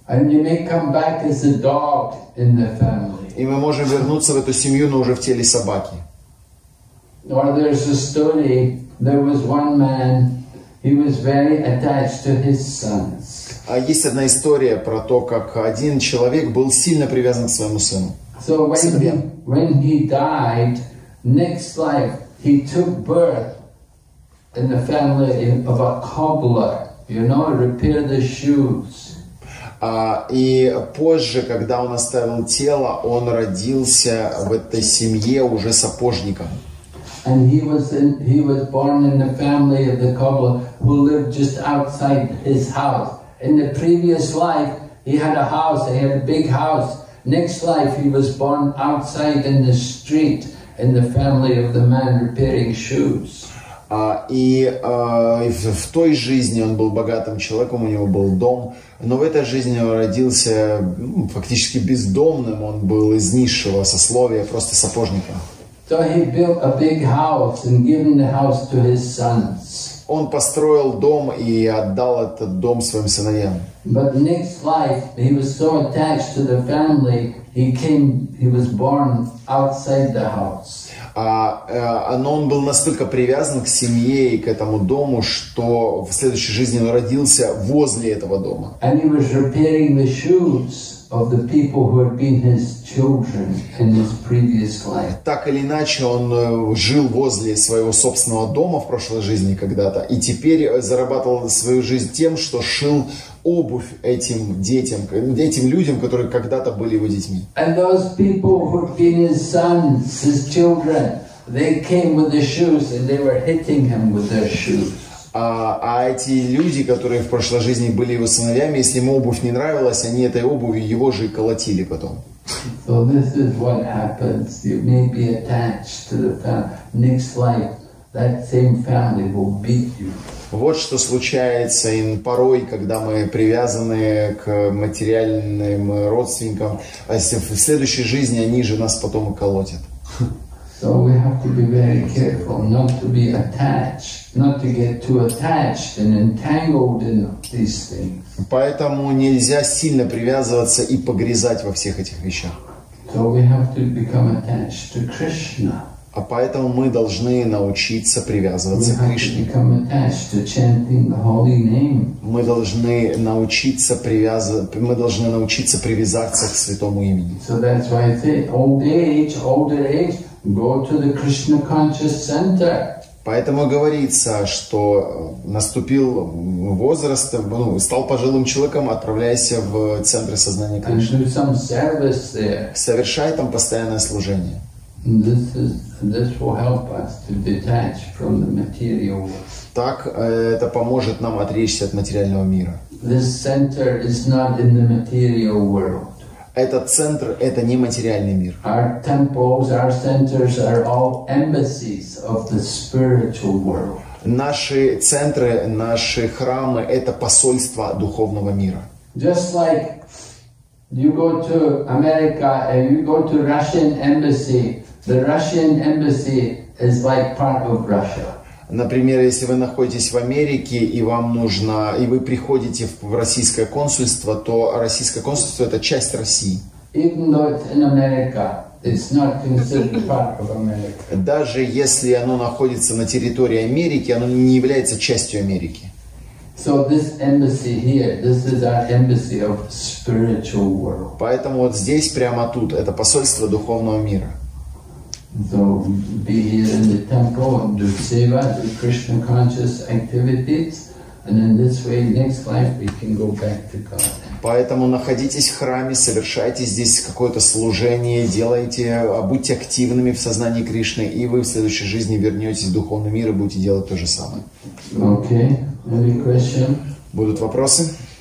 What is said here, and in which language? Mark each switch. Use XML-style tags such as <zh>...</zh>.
<ru>И мы можем вернуться в эту семью, но уже в теле собаки.</ru> <en>Or there's a story. There was one man. He was very attached to his sons.</en> <ru>А есть одна история про то, как один человек был сильно привязан к своему сыну.</ru> <en>So when he died, next life he took birth in the family of a cobbler. You know, repair the shoes.</en> <ru>И позже, когда он оставил тело, он родился в этой семье уже сапожником.</ru> <en>And he was born in the family of the cobbler who lived just outside his house. In the previous life, he had a house, he had a big house. Next life, he was born outside in the street in the family of the man repairing shoes.</en> <ru>В той жизни он был богатым человеком, у него был дом. Но в этой жизни он родился фактически бездомным. Он был из низшего сословия, просто сапожником.</ru> <en>So he built a big house and given the house to his sons.</en> <ru>Он построил дом и отдал этот дом своим сыновьям.</ru> <en>But next life he was so attached to the family he was born outside the house.</en> <ru>Но он был настолько привязан к семье и к этому дому, что в следующей жизни он родился возле этого дома.</ru> <en>And he was repairing the shoes of the people who had been his children in his previous life.</en> <ru>Так или иначе, он жил возле своего собственного дома в прошлой жизни когда-то, и теперь зарабатывал свою жизнь тем, что шил обувь этим детям, этим людям, которые когда-то были его детьми.</ru> <en>And those people who had been his sons, his children, they came with the shoes and they were hitting him with their shoes.</en> <ru>А эти люди, которые в прошлой жизни были его сыновьями, если ему обувь не нравилась, они этой обувью его же и колотили потом.</ru> <en>So this is what happens. You may be attached to the family. Next life, that same family will beat you.</en> <ru>Вот что случается порой, когда мы привязаны к материальным родственникам. А если в следующей жизни они же нас потом и колотят.</ru> <en>So we have to be very careful not to be attached, not to get too attached and entangled in these things.</en> <ru>Поэтому нельзя сильно привязываться и погрязать во всех этих вещах.</ru> <en>So we have to become attached to Krishna.</en> <ru>А поэтому мы должны научиться привязываться к Кришне.</ru> <en>We have to become attached to chanting the holy name.</en> <ru>Мы должны научиться привязаться к святому имени.</ru> <en>So that's why it's older age. Go to the Krishna Conscious Center.</en> <ru>Поэтому говорится, что наступил возраст, стал пожилым человеком, отправляйся в центр сознания Кришны.</ru> <en>And do some service there.</en> <ru>Совершай там постоянное служение.</ru> <en>This will help us to detach from the material world.</en> <ru>Так это поможет нам отречься от материального мира.</ru> <en>This center is not in the material world.</en> <ru>Этот центр – это не материальный мир.</ru> <en>Our temples, our centers are all embassies of the spiritual world.</en> <ru>Наши центры, наши храмы – это посольства духовного мира.</ru> <en>Just like you go to America and you go to Russian embassy, the Russian embassy is like part of Russia.</en> <ru>Например, если вы находитесь в Америке и вам нужно, и вы приходите в российское консульство, то российское консульство – это часть России.</ru> <en>Even though it's in America, it's not considered part of America.</en> <ru>Даже если оно находится на территории Америки, оно не является частью Америки.</ru> <en>So this embassy here, this is our embassy of spiritual world.</en> <ru>Поэтому вот здесь, прямо тут, это посольство духовного мира.</ru> <en>So be here in the temple and do seva, do Krishna conscious activities, and in this way, next life we can go back to God.</en> <ru>Поэтому находитесь в храме, совершайте здесь какое-то служение, делайте, будьте активными в сознании Кришны, и вы в следующей жизни вернетесь в духовный мир и будете делать то же самое.</ru> <en>Okay. Any question?</en> <ru>Будут вопросы?</ru>